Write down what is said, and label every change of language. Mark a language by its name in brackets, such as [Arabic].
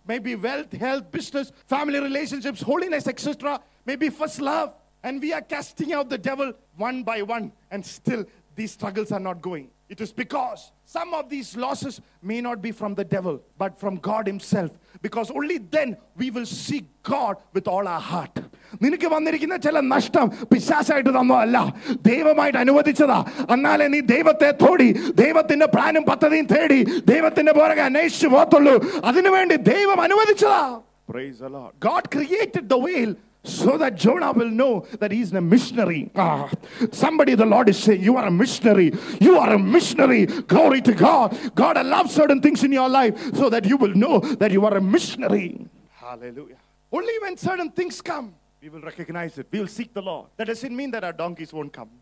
[English] Maybe wealth, health, business, family relationships, holiness, etc. Maybe first love. And we are casting out the devil one by one. And still, these struggles are not going. It is because some of these losses may not be from the devil, but from God himself. Because only then we will seek God with all our heart. [Malayalam] നിനക്ക് വന്നിരിക്കുന്ന ചില നഷ്ടം പിശാസായിട്ട് തന്നതല്ല, ദൈവമായിട്ട് അനുവദിച്ചതാ. എന്നാലേ നീ ദൈവത്തെ തോടി, ദൈവത്തിന്റെ പ്ലാനും പദ്ധതിയും തേടി, ദൈവത്തിന്റെ പുറകെ അന്വേഷിച്ചു പോകത്തുള്ളൂ. അതിനുവേണ്ടി ദൈവം അനുവദിച്ചതാ. [English] Praise the Lord. God created the whale so that Jonah will know that he is a missionary. Somebody, the Lord is saying, you are a missionary. You are a missionary. Glory to God. God allows certain things in your life so that you will know that you are a missionary. Hallelujah. Only when certain things come, we will recognize it. We will seek the Lord. That doesn't mean that our donkeys won't come.